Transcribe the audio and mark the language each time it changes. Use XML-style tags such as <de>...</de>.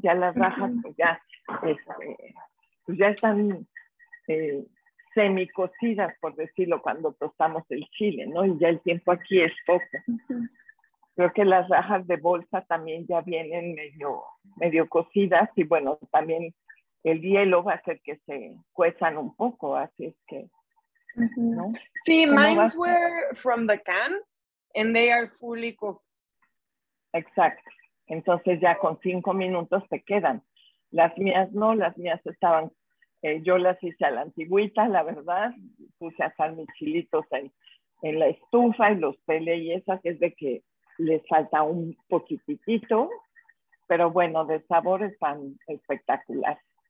<es>Ya las rajas, ya están semicocidas, por decirlo, cuando tostamos el chile, ¿no? Y ya el tiempo aquí es poco. Creo que las rajas de bolsa también ya vienen medio cocidas y bueno, también el hielo va a hacer que se cuezan un poco, así es que, ¿no?</es> <en>Sí, mines were from the can and they are fully cooked.</en> <es>Exacto. Entonces ya con 5 minutos se quedan. Las mías no, las mías estaban, yo las hice a la antigüita, la verdad, puse a sal mis chilitos en la estufa y los pelé y esas es de que les falta un poquitito, pero bueno, de sabor están espectaculares.</es>